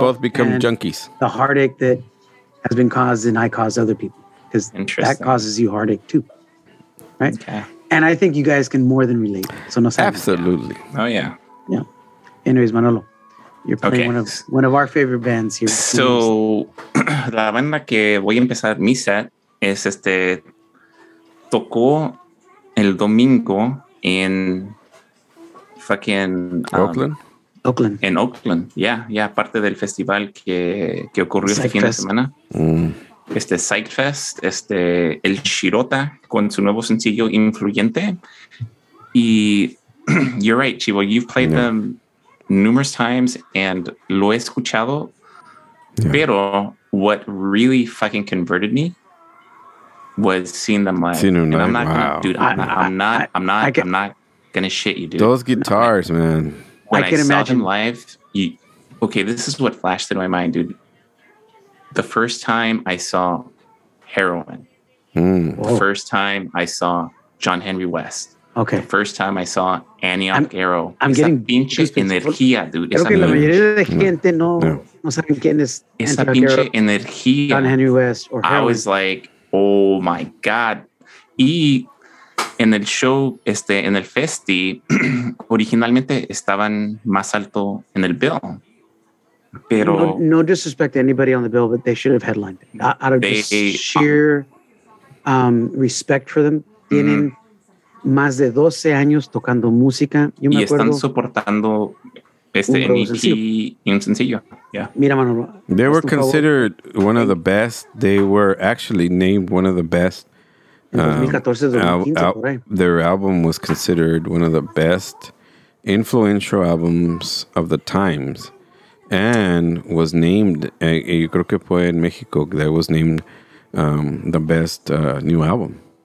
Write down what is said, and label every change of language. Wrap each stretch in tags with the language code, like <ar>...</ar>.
<en>both become junkies. The heartache that has been caused and I caused other people. Because that causes you heartache too. Right? Okay. And I think you guys can more than relate. So no sense. Absolutely. Oh, yeah. Yeah. Anyways, Manolo. You're playing one of our favorite bands here.</en> <es>So, la banda que voy a empezar mi set es tocó el domingo en fucking Oakland. En Oakland, ya parte del festival que ocurrió este fin de semana. Psychfest, el Shirota con su nuevo sencillo Influyente.</es> <en>Y you're right, Chivo, you've played them numerous times and</en> <es>lo he escuchado, pero</es> <en>what really fucking converted me was seeing them live. Seeing them live. I'm not, wow. I'm not gonna shit you, dude. Those guitars, no, man. When I can saw them live, this is what flashed in my mind, dude. The first time I saw Heroin. The first time I saw John Henry West. Okay. The first time I saw Antioch Arrow. I'm getting</en> <es>pinche energía, dude. Creo que la mayoría de gente no saben quién es. Esa pinche energía.</es> <en>John Henry West or Heroin. I was like, oh my God.</en> <es>Y en el show, en el festi, originalmente estaban más alto en el bill. Pero</es> <en>no disrespect to anybody on the bill, but they should have headlined it. Out of sheer respect for them.</en> <es>Tienen más de 12 años tocando música. Yo me y acuerdo, están soportando un EP sencillo. Y un sencillo.</es> <en>Yeah.</en> <es>Mira, Manolo.</es> <en>They were considered one of the best. They were actually named one of the best. Their album was considered one of the best influential albums of the times. And was named,</en> <es>yo creo que fue en México,</es> <en>that was named the best new album.</en>